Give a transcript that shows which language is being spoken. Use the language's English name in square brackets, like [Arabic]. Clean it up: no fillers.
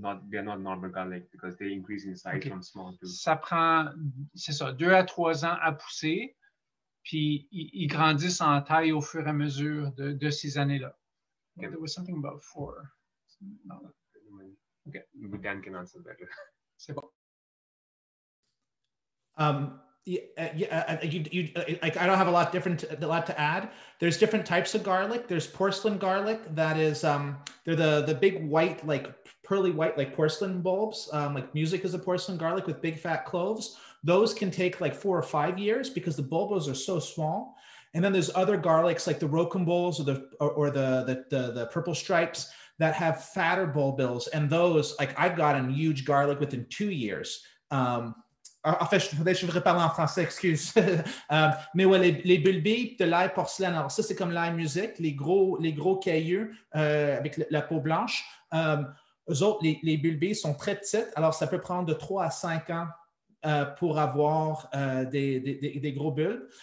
[English] They're not normal garlic because they increase in size from small to... [French] Ça prend, c'est ça, 2 à 3 ans à pousser. Puis ils grandissent en taille au fur et à mesure de ces années-là. [English] Okay, there was something about 4. Okay, Dan can answer better. [French] C'est bon. [English] I don't have a lot to add. There's different types of garlic. There's porcelain garlic that is they're the big white, like pearly white, like porcelain bulbs. Like music is a porcelain garlic with big fat cloves. Those can take like 4 or 5 years because the bulbs are so small. And then there's other garlics like the rocamboles or the purple stripes that have fatter bulbils. And those, like I've gotten huge garlic within 2 years. [French] En fait, je ne voudrais pas parler en français, excuse. mais ouais, les bulbilles de l'ail porcelaine, alors ça, c'est comme l'ail musique, les gros cailloux avec la peau blanche. Eux autres, les bulbilles sont très petites, alors ça peut prendre de 3 à 5 ans pour avoir des gros bulbes.